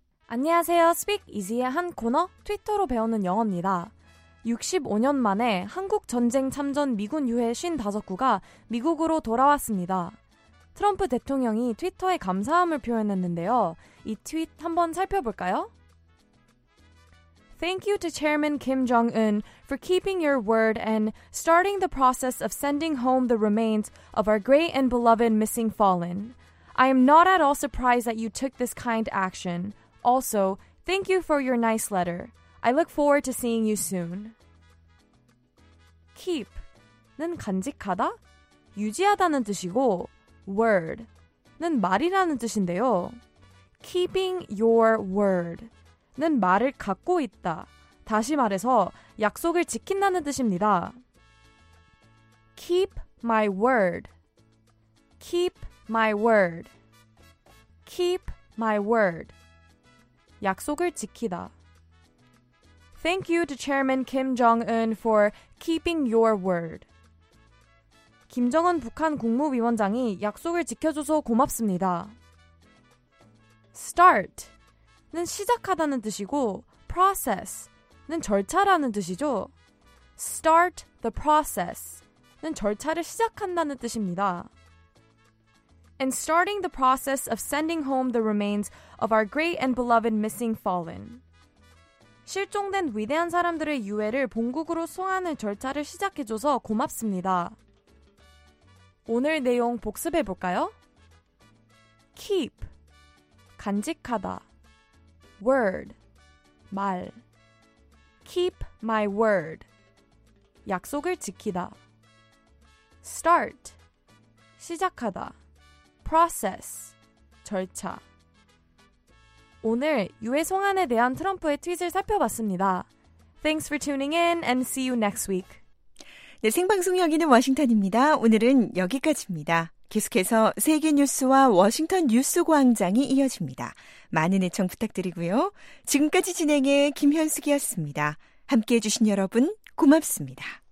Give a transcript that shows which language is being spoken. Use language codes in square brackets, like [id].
[ko] 안녕하세요. Speak Easy의 한 코너 트위터로 배우는 영어입니다. 65년 만에 한국전쟁 참전 미군 유해 55구가 미국으로 돌아왔습니다. 트럼프 대통령이 트위터에 감사함을 표현했는데요. 이 트윗 한번 살펴볼까요? [en] Thank you to Chairman Kim Jong-un for keeping your word and starting the process of sending home the remains of our great and beloved missing fallen. I am not at all surprised that you took this kind action. Also, thank you for your nice letter. I look forward to seeing you soon. [ko] Keep는 간직하다, 유지하다는 뜻이고 word는 말이라는 뜻인데요. [en] Keeping your word [ko] 는 말을 갖고 있다. 다시 말해서 약속을 지킨다는 뜻입니다. [en] Keep my word. Keep my word. Keep my word. [ko] 약속을 지키다. [en] Thank you to Chairman Kim Jong-un for keeping your word. [ko] 김정은 북한 국무위원장이 약속을 지켜줘서 고맙습니다. Start는 시작하다는 뜻이고 process는 절차라는 뜻이죠. [en] Start the process [ko] 는 절차를 시작한다는 뜻입니다. [en] And starting the process of sending home the remains of our great and beloved missing fallen. [ko] 실종된 위대한 사람들의 유해를 본국으로 송환할 절차를 시작해줘서 고맙습니다. 오늘 내용 복습해볼까요? Keep, 간직하다. Word, 말. [en] Keep my word, [ko] 약속을 지키다. Start, 시작하다. Process, 절차. 오늘 유해 송환에 대한 트럼프의 트윗을 살펴봤습니다. [en] Thanks for tuning in and see you next week. [ko] 네, 생방송 여기는 워싱턴입니다. 오늘은 여기까지입니다. 계속해서 세계 뉴스와 워싱턴 뉴스 광장이 이어집니다. 많은 애청 부탁드리고요. 지금까지 진행해 김현숙이었습니다. 함께해 주신 여러분 고맙습니다.